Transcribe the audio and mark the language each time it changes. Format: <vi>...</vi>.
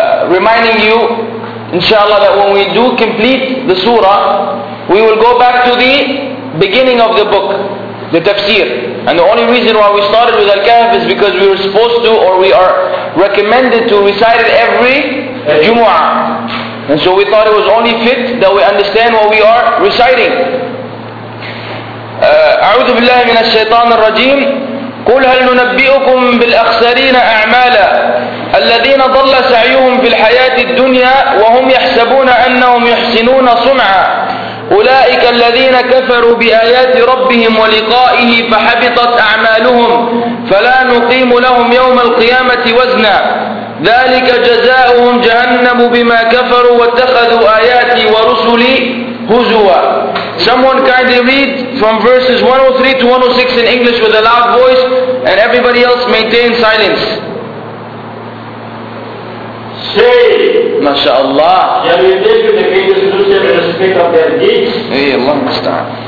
<en>Reminding you, inshallah, that when we do complete the surah, we will go back to the beginning of the book, the tafsir. And the only reason why we started with Al-Kahf is because we were supposed to, or we are recommended to recite it every Jumu'ah. And so we thought it was only fit that we understand what we are reciting.</en> <ar>أعوذ بالله من الشيطان الرجيم قل هل ننبئكم بالأخسرين أعمالا الذين ضل سعيهم في الحياة الدنيا وهم يحسبون أنهم يحسنون صنعا أولئك الذين كفروا بآيات ربهم ولقائه فحبطت أعمالهم فلا نقيم لهم يوم القيامة وزنا ذلك جزاؤهم جهنم بما كفروا واتخذوا آياتي ورسلي هزوا.</ar> <en>Someone kindly read from verses 103 to 106 in English with a loud voice, and everybody else maintain silence. Say, MashaAllah, shall we take the pages to them in respect of their deeds? Hey, Allah Musta'an.</en>